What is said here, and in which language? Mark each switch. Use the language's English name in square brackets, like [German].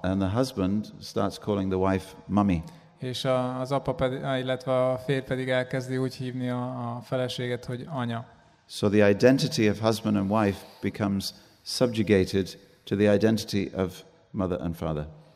[English] And the husband starts calling the wife mommy. [Hungarian] És az apa pedig, illetve a férj pedig elkezdi úgy hívni a feleséget, hogy anya. [English] So the identity of husband and wife becomes subjugated to the identity of mother and father.